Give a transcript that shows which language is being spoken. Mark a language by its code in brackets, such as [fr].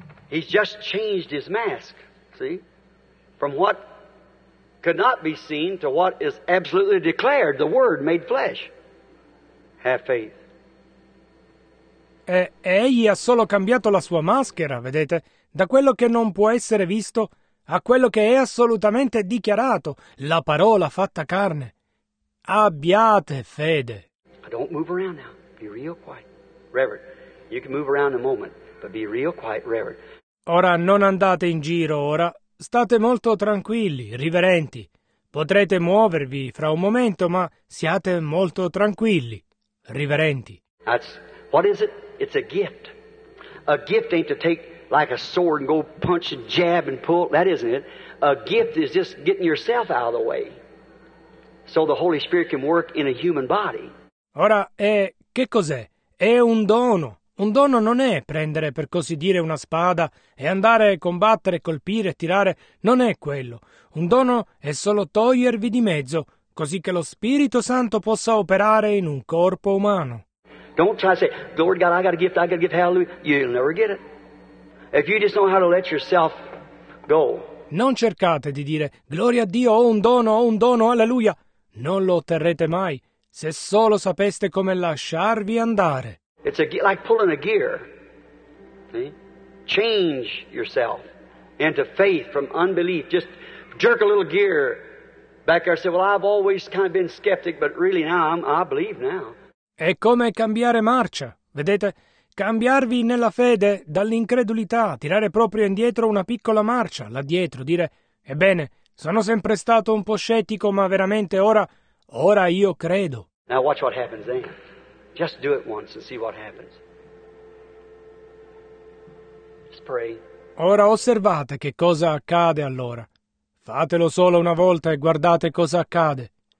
[en] He's just changed his mask, see? From what could not be seen to what is absolutely declared, the Word made flesh. Have faith. [it] Egli ha solo cambiato la sua maschera, vedete? Da quello che non può essere visto a quello che è assolutamente dichiarato, la parola fatta carne. Abbiate fede. [en] I don't move around now. Be real quiet. Reverend, you can move around in a moment, but be real quiet, Reverend. [it] Ora non andate in giro, ora. State molto tranquilli, riverenti. Potrete muovervi fra un momento, ma siate molto tranquilli, riverenti. [en] That's, what is it? It's a gift. A gift ain't to take like a sword and go punch and jab and pull. That isn't it. A gift is just getting yourself out of the way so the Holy Spirit can work in a human body. [it] Ora, che cos'è? È un dono. Un dono non è prendere, per così dire, una spada e andare a combattere, colpire, tirare. Non è quello. Un dono è solo togliervi di mezzo, così che lo Spirito Santo possa operare in un corpo umano. [en] Don't try to say, Lord God, I got a gift, hallelujah. You'll never get it. If you just know how to let yourself go. [it] Non cercate di dire, gloria a Dio, ho un dono, alleluia. Non lo otterrete mai, se solo sapeste come lasciarvi andare. [en] It's like pulling a gear. See? Change yourself into faith from unbelief. Just jerk a little gear back there. Say, well, I've always kind of been skeptic, but really now I believe now. [it] È come cambiare marcia, vedete? Cambiarvi nella fede dall'incredulità, tirare proprio indietro una piccola marcia, là dietro, dire, ebbene, sono sempre stato un po' scettico, ma veramente ora io credo. [en] Now watch what happens then. Just do it once and see what happens. Just pray. [it] Ora osservate che cosa accade allora. Fatelo solo una volta e guardate cosa accade.